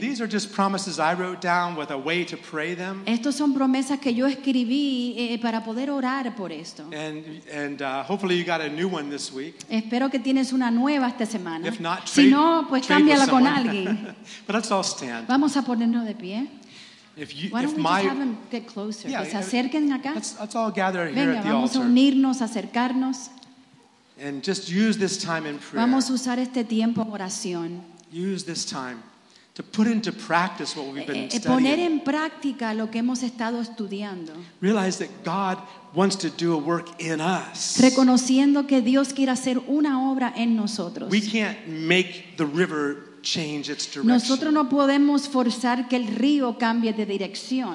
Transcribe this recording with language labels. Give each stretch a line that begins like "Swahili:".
English: These are just promises I wrote down with a way to pray them.
Spanish: Estos son promesas que yo escribí para poder orar por esto.
English: And hopefully you got a new one this week.
Spanish: Espero que tienes una nueva esta semana.
English: If not,
Spanish: si no, pues cámbiala con alguien.
English: But let's all stand.
Spanish: Vamos a ponernos de pie.
English: If you, Why don't if my, just have them get closer? Yeah,
Spanish: que se acerquen acá.
English: Let's all gather here
Spanish: Venga,
English: at the
Spanish: vamos Vamos a unirnos, acercarnos.
English: And just use this time in prayer.
Spanish: Vamos a usar este tiempo en oración.
English: Use this time to put into practice what we've been studying.
Spanish: Poner en práctica lo que hemos estado estudiando.
English: Realize that God wants to do a work in us.
Spanish: Reconociendo que Dios quiere hacer una obra en nosotros.
English: We can't make the river change its direction.
Spanish: Nosotros no podemos forzar que el río cambie de dirección.